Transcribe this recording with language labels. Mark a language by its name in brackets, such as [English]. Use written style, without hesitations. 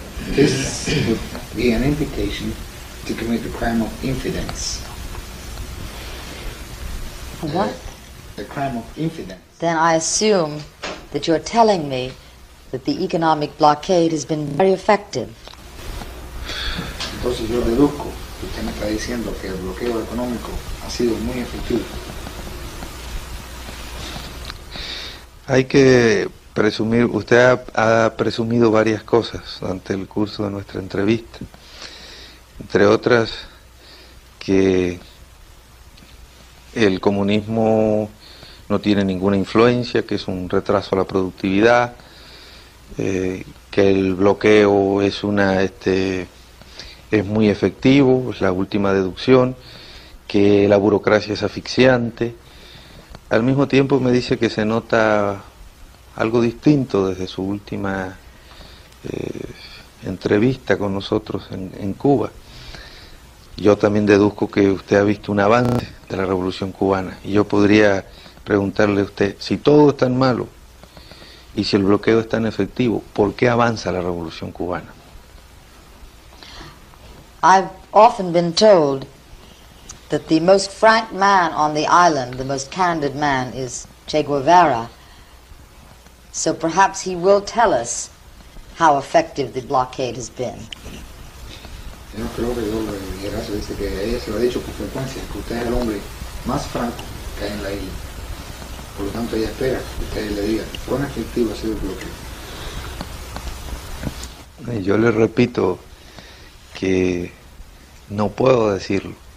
[English] This would be an invitation to commit the crime of infidence. What? The crime of infidence. Then I assume that you're telling me that the economic blockade has been very effective. [Spanish] Entonces yo deduzco que usted me está diciendo que el bloqueo económico ha sido muy efectivo. Hay que presumir, usted ha presumido varias cosas durante el curso de nuestra entrevista. Entre otras, que el comunismo no tiene ninguna influencia, que es un retraso a la productividad. Que el bloqueo es una es muy efectivo, es la última deducción, que la burocracia es asfixiante. Al mismo tiempo me dice que se nota algo distinto desde su última entrevista con nosotros en Cuba. Yo también deduzco que usted ha visto un avance de la revolución cubana y yo podría preguntarle a usted si todo es tan malo y si el bloqueo es tan efectivo, ¿por qué avanza la revolución cubana? [English] I've often been told that the most frank man on the island, the most candid man, is Che Guevara. So perhaps he will tell us how effective the blockade has been. [Spanish] Yo creo que el Gerazo dice que ella se lo ha dicho con frecuencia, que usted es el hombre más franco que hay en la isla. Por lo tanto, ella espera que usted le diga cuán efectivo ha sido el bloqueo. Yo le repito que No puedo decirlo.